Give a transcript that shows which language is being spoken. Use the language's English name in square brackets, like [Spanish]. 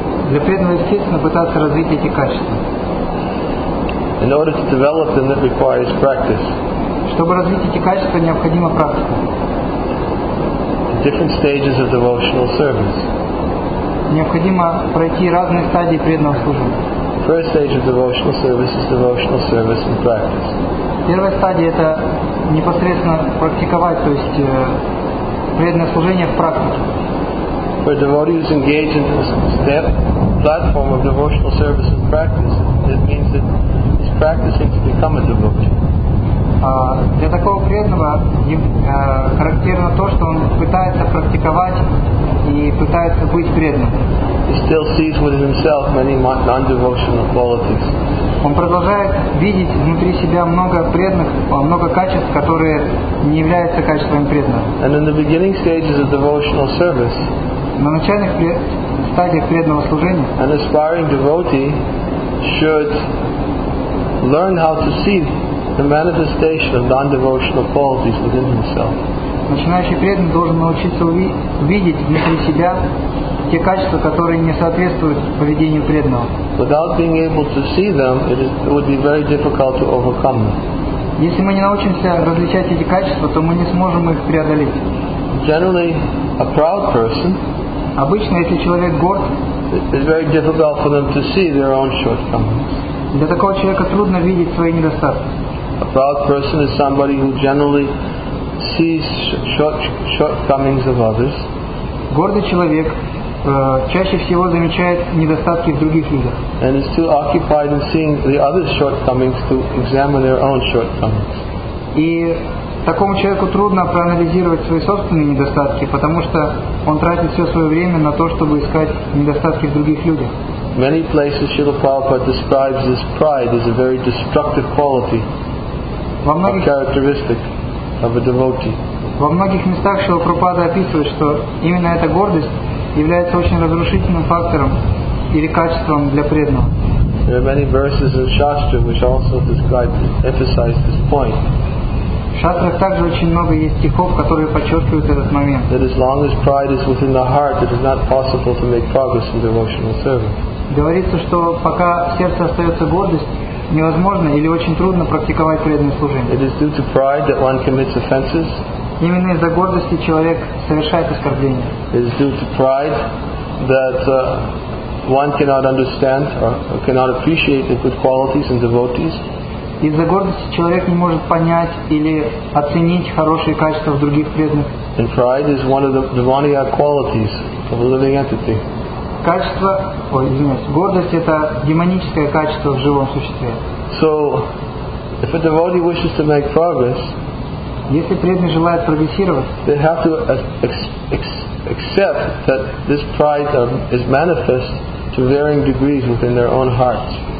[Russian] Для преданного, естественно, пытаться развить эти качества. [English] In order to develop them, it requires practice. [Russian] Чтобы развить эти качества, необходима практика. [English] Different stages of devotional service. [Russian] Необходимо пройти разные стадии преданного служения. [English] First stage of devotional service is devotional service and practice. [Russian] Первая стадия — это непосредственно практиковать, то есть преданное служение в практике. [English] Where devotees engage in this step platform of devotional service and practice, it means that he's practicing to become a devotee. [Russian] Для такого преданного характерно то, что он пытается практиковать и пытается быть преданным. [English] He still sees within himself many non-devotional qualities. [Russian] Он продолжает видеть внутри себя много преданных, много качеств, которые не являются качествами преданного. [English] And in the beginning stages of devotional service, [Russian] на начальных стадиях преданного служения, [English] an aspiring devotee should learn how to see the manifestation of non-devotional qualities within himself. [Russian] Начинающий преданный должен научиться увидеть внутри себя те качества, которые не соответствуют поведению преданного. [English] Without being able to see them, it would be very difficult to overcome them. [Russian] Если мы не научимся различать эти качества, то мы не сможем их преодолеть. [English] Generally, a proud person, [Russian] обычно, если человек горд, [English] it's very difficult for them to see their own shortcomings. [Russian] Для такого человека трудно видеть свои недостатки. [English] A proud person is somebody who generally sees shortcomings of others. [Russian] Гордый человек чаще всего замечает недостатки в других людях. [English] And is too occupied in seeing the other's shortcomings to examine their own shortcomings. [Russian] И такому человеку трудно проанализировать свои собственные недостатки, потому что он тратит все свое время на то, чтобы искать недостатки в других людях. [English] Many places Srila Prabhupada describes this pride as a very destructive quality. [Russian] Во многих, [English] a characteristic of a devotee. [Russian] Во многих местах Шрила Прабхупада описывает, что именно эта гордость является очень разрушительным фактором или качеством для преданного. [English] There are many verses in Shastra which also describe, emphasize this point. [Russian] В шастрах также очень много есть стихов, которые подчеркивают этот момент. [English] That as long as pride is within the heart, it is not possible to make progress in devotional service. [Russian] Говорится, что пока в сердце остается гордость, невозможно или очень трудно практиковать преданное служение. [English] It is due to pride that one commits offenses. [Russian] Именно из-за гордости человек совершает оскорбления. [English] It is due to pride that one cannot understand or cannot appreciate the good qualities in devotees. [Russian] Из-за гордости человек не может понять или оценить хорошие качества в других преданных. [English] And pride is one of the demoniac qualities of a living entity. [Russian] Качество, гордость — это демоническое качество в живом существе. [English] So, if a devotee wishes to make progress, [Russian] если преданный желает прогрессировать, [English] they have to accept that this pride is manifest to varying degrees within their own hearts.